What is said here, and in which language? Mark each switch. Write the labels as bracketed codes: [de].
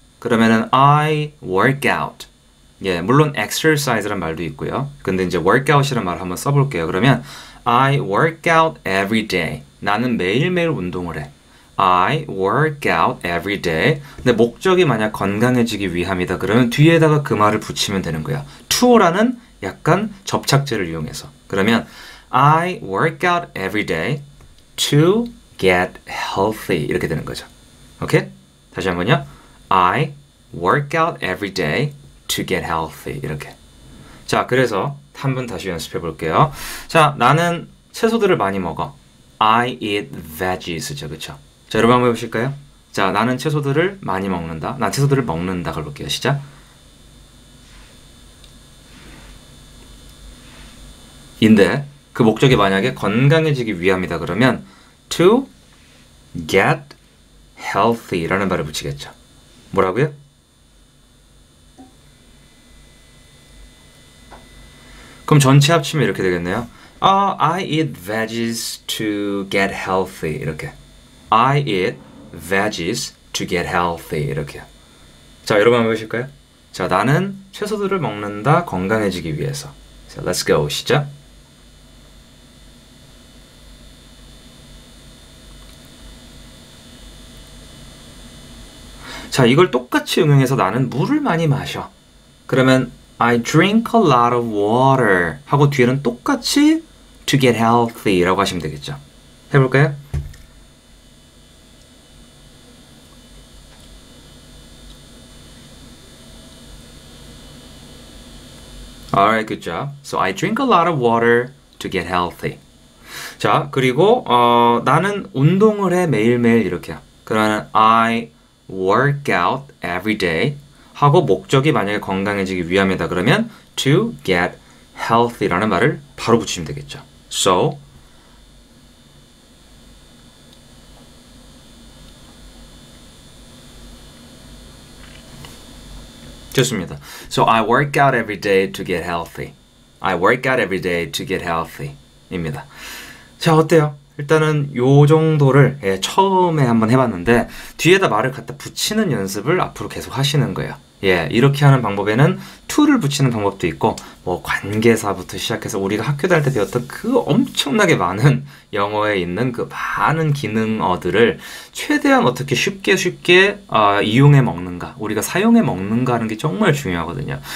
[ko] 그러면은 [en] I work out. [ko] 예, 물론 exercise란 말도 있고요. 근데 이제 workout이란 말을 한번 써볼게요. 그러면 [en] I work out every day. [ko] 나는 매일매일 운동을 해. [en] I work out every day. [ko] 근데 목적이 만약 건강해지기 위함이다. 그러면 뒤에다가 그 말을 붙이면 되는 거야. To라는 약간 접착제를 이용해서. 그러면 [en] I work out every day to get healthy. [ko] 이렇게 되는 거죠. 오케이? 다시 한번요. I work out every day to get healthy. 이렇게. 자, 그래서 한번 다시 연습해 볼게요. 자, 나는 채소들을 많이 먹어. [en] I eat veggies죠. [ko] 그쵸? 자, 여러분 한번 해보실까요? 자, 나는 채소들을 많이 먹는다. 난 채소들을 먹는다. 가볼게요. 시작. 인데, 그 목적이 만약에 건강해지기 위함이다. 그러면, [en] to get healthy [ko] 라는 말을 붙이겠죠. 뭐라고요? 그럼 전체 합치면 이렇게 되겠네요. [en] I eat veggies to get healthy. [ko] 이렇게. [en] I eat veggies to get healthy. [ko] 이렇게요. 자, 여러분 한번 보실까요? 자, 나는 채소들을 먹는다. 건강해지기 위해서. [en] So, let's go. [ko] 시작. 자, 이걸 똑같이 응용해서 나는 물을 많이 마셔. 그러면 [en] I drink a lot of water [ko] 하고 뒤에는 똑같이 [en] to get healthy라고 [ko] 하시면 되겠죠. 해볼까요? [en] 알라이트 굿 잡. So I drink a lot of water to get healthy. [ko] 자, 그리고 나는 운동을 해 매일매일 이렇게. 그러면 [en] I work out every day [ko] 하고 목적이 만약에 건강해지기 위함이다. 그러면 to get healthy라는 말을 바로 붙이면 되겠죠. [en] So So I work out every day to get healthy. I work out every day to get healthy. [ko] 입니다. 자, 어때요? 일단은 요 정도를 예, 처음에 한번 해봤는데 뒤에다 말을 갖다 붙이는 연습을 앞으로 계속 하시는 거예요. 예, 이렇게 하는 방법에는 to를 붙이는 방법도 있고 뭐 관계사부터 시작해서 우리가 학교 다닐 때 배웠던 그 엄청나게 많은 영어에 있는 그 많은 기능어들을 최대한 어떻게 쉽게 이용해 먹는가, 우리가 사용해 먹는가 하는 게 정말 중요하거든요.